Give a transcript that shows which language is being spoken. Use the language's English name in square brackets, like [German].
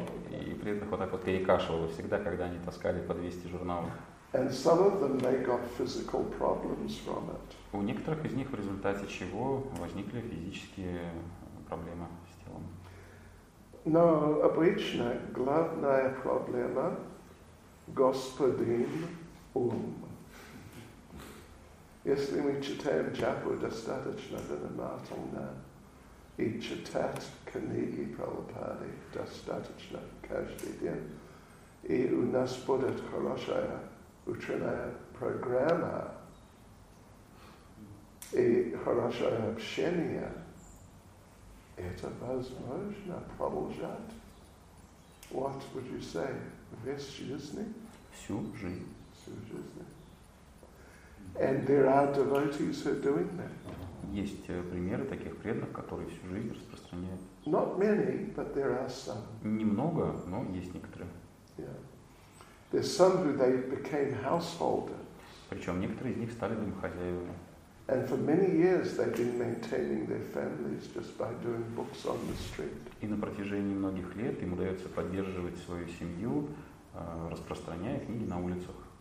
[Russian] И при этом вот так вот перекашивало всегда, когда они таскали по 200 журналов. [English] And some of them they got physical problems from it. [Russian] У некоторых из них в результате чего возникли физические проблемы с телом. Но обычно главная проблема господин ум. Если мы читаем чапу достаточно внимательно, и читать книги Прабхупады достаточно каждый день, и у нас будет хорошая утренняя программа и хорошее общение, это возможно продолжать. [English] What would you say? [Russian] Весь жизни? Всю жизнь. Всю жизнь. [English] And there are devotees who are doing that. [Russian] Есть примеры таких преданных, которые всю жизнь распространяют. [English] Not many, but there are some. [Russian] Немного, но есть некоторые. [English] Yeah. There's some who they became householders. [Russian] Причем некоторые из них стали домохозяевами. [English] And for many years they've been maintaining their families just by doing books on the street. [Russian] И на протяжении многих лет им удается поддерживать свою семью, распространяя книги на улицах.